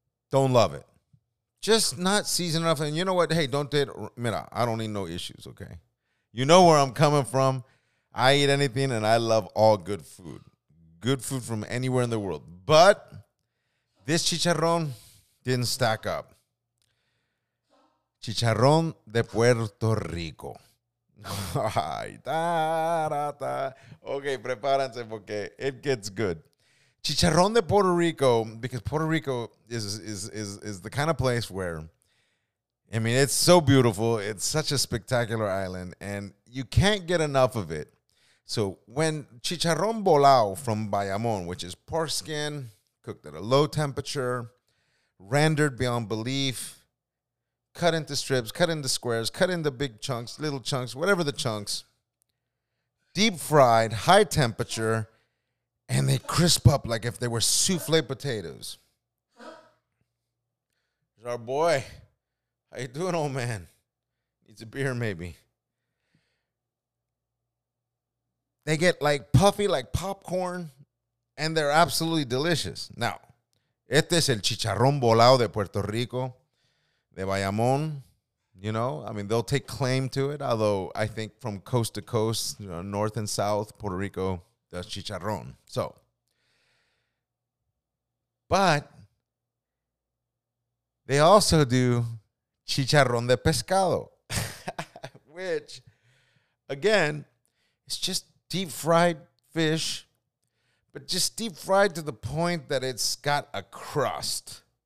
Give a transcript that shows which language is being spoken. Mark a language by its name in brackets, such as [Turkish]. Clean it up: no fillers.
[English] Don't love it. Just not seasoned enough. And you know what? Hey, don't do it. Mira, I don't need no issues, okay? You know where I'm coming from. I eat anything and I love all good food. Good food from anywhere in the world. But this chicharrón didn't stack up. Chicharrón de Puerto Rico. Okay, [Spanish] prepárense porque [English] it gets good. Chicharrón de Puerto Rico, because Puerto Rico is the kind of place where, I mean, it's so beautiful. It's such a spectacular island, and you can't get enough of it. So when chicharrón bolao from Bayamón, which is pork skin, cooked at a low temperature, rendered beyond belief, cut into strips, cut into squares, cut into big chunks, little chunks, whatever the chunks, deep fried, high temperature, and they crisp up like if they were souffle potatoes. It's our boy. How you doing, old man? Needs a beer, maybe. They get like puffy like popcorn, and they're absolutely delicious. [Spanish] Now, este es el chicharrón volado de Puerto Rico, de Bayamón. [English] You know, I mean, they'll take claim to it, although I think from coast to coast, you know, north and south, Puerto Rico... the chicharrón. So, but they also do chicharrón de pescado, which, again, it's just deep fried fish, but just deep fried to the point that it's got a crust.